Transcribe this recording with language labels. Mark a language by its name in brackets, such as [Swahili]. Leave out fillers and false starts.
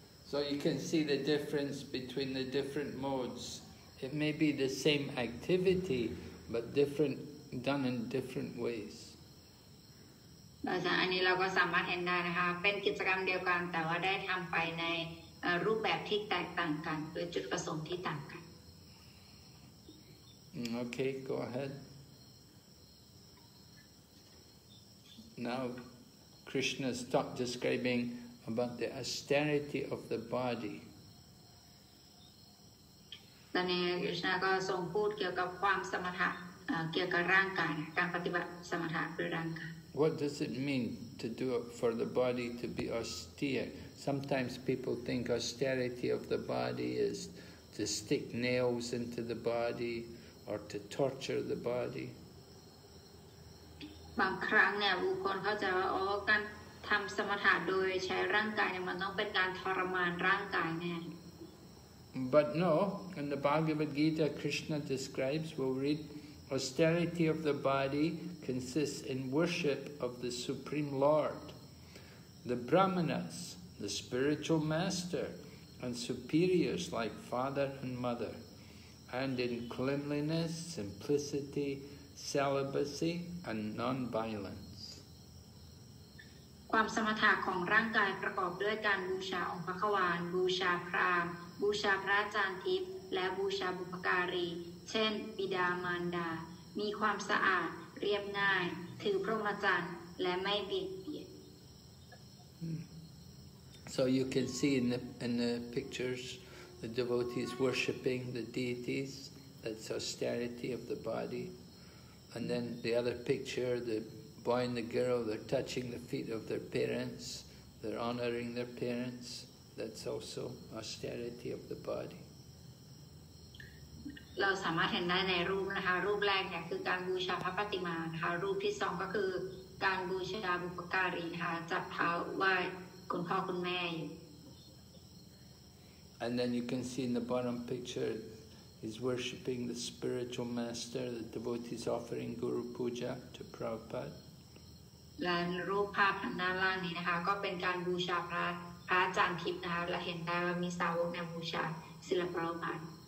[English] So you can see the difference between the different modes. It may be the same activity, but different done in different ways. [Thai] เราจะอันนี้เราก็สามารถเห็นได้นะคะเป็นกิจกรรมเดียวกันแต่ว่าได้ทำไปในรูปแบบที่แตกต่างกันโดยจุดประสงค์ที่ต่างกัน [English] โอเค go ahead now Krishna stopped describing about the austerity of the body [Thai] ตอนนี้ Krishna ก็ทรงพูดเกี่ยวกับความสมถะเกี่ยวกับร่างกายการปฏิบัติสมถะเพื่อร่างกาย [English] What does it mean to do it for the body to be austere? Sometimes people think austerity of the body is to stick nails into the body or to torture the body. [Thai] บางครั้งเนี่ยบุคคลเข้าใจว่าโอ้การทำสมถะโดยใช้ร่างกายเนี่ยมันต้องเป็นการทรมานร่างกายแน่ [English] But no, in the Bhagavad Gita, Krishna describes. We'll read. Austerity of the body consists in worship of the Supreme Lord. The Brahmanas, the spiritual master, and superiors like father and mother, and in cleanliness, simplicity, celibacy, and non-violence. [Thai] ความสมถะของร่างกายประกอบด้วยการบูชาองค์พระขวานบูชาพราหมณ์บูชาพระอาจารย์ทิพย์และบูชาบุพการีเช่นบิดามารดามีความสะอาดเรียบง่ายถือพรหมจรรย์และไม่เบียดเบียน [English] So you can see in the pictures the devotees worshipping the deities that's austerity of the body and then the other picture the boy and the girl they're touching the feet of their parents they're honoring their parents that's also austerity of the body [Thai] เราสามารถเห็นได้ในรูปนะคะรูปแรกเนี่ยคือการบูชาพระปฏิมานะคะรูปที่สองก็คือการบูชาบุพการีนะคะจับเท้าไหว้คุณพ่อคุณแม่อยู่ [English] And then you can see in the bottom picture he's worshipping the spiritual master the devotees offering guru puja to Prabhupada [Thai] และรูปภาพทางด้านล่างนี้นะคะก็เป็นการบูชาพระอาจารย์ทิพย์นะคะและเห็นได้ว่ามีสาวกเนี่ยบูชาศิลปรมาน